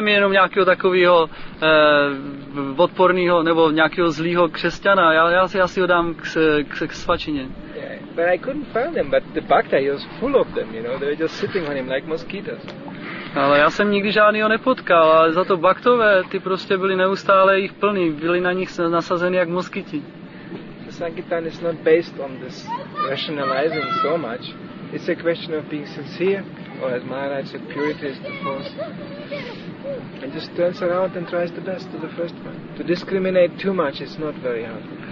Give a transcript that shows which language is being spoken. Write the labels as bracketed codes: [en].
[cs] mi jenom nějakého takového odporného nebo nějakého zlýho křesťana. Já si ho dám k svačině. [en] Yeah, but I couldn't find them, but the bhakta was full of them, you know. They were just sitting on him like mosquitoes. [cs] Ale já jsem nikdy žádnýho nepotkal, ale za to baktové, ty prostě byli neustále jich plný, byli na nich nasazeni jak moskyti. [en] The sankirtan is not based on this rationalizing so much. It's a question of being sincere, or as Maharaj said, purity is the force. And just turns around and tries the best to the first one. To discriminate too much is not very hard.